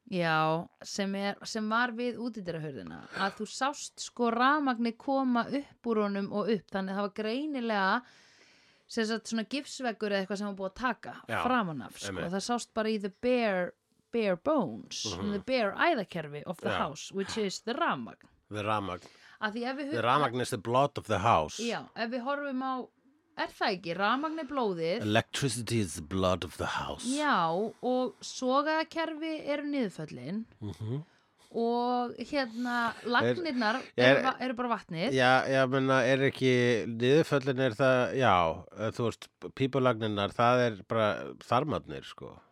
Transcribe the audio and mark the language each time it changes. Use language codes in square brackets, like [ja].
[is] Já, sem var við útidyrahurðina. Að þú sást sko rafmagni koma upp úr honum og upp, þannig að það var greinilega, sem sagt, svona gifsveggur eða eitthvað sem var búið að taka framan af, sko. Emme. Það sást bara í [en] the bare bones, [is] mm-hmm. [en] the bare æðakerfi of the house, which is the rafmagn. The rafmagn. [is] Að því ef við [en] höfum... The rafmagn is the blood of the house. [is] Já, ef við horfum á Er það ekki? Rafmagn er blóðið. [en] Electricity is the blood of the house. [is] Já, og sogaðakerfi eru niðurföllin. Mm-hmm. Og hérna, lagnirnar eru bara vatnið. Já, já, menna, er ekki, niðurföllin er það, já, þú veist, pípulagnirnar, það er bara þarmarnir, sko.